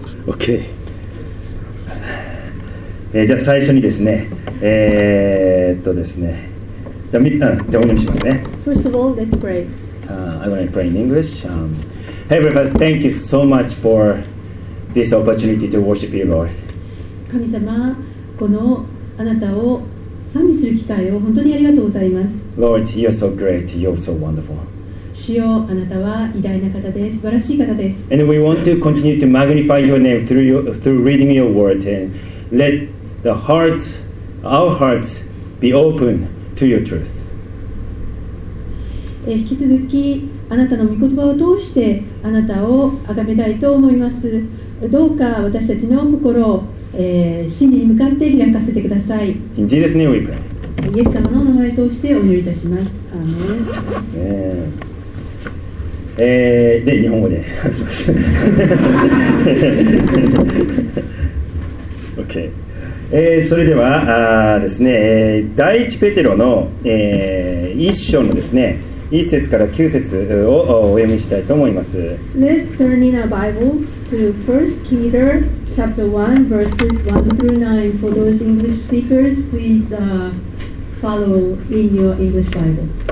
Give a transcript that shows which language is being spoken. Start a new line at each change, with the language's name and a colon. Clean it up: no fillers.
Japanese: OK、じゃあ最初にですね、ですね、じゃあお願いしますね。
English: First of all, let's pray. I want to pray in English. Hey, everybody, thank you so much for this opportunity to worship you, Lord.
Japanese: 神様、このあなたを賛美する機会を本当にありがとうございます。
English: Lord, you're so great. You're so wonderful.
Japanese: 主よ、あなたは偉大な方です。素晴らしい方です。
English: And we want to continue to magnify your name through reading your word and let the hearts, our hearts be open to your truth.
Japanese: 引き続きあなたの御言葉を通してあなたを崇めたいと思います。どうか私たちの心を真理に向かって開かせてください。
English: In Jesus' name we pray.
Japanese: イエス様の名前を通してお祈りいたします。アーメン。で、日本語で話します。 OK、それではですね、第一ペテロの、1章のですね、1節から9節をお読みしたいと思います。
English: Let's turn in our Bibles to 1 Peter chapter 1 verses 1 through 9. For those English speakers, please follow in your English Bible.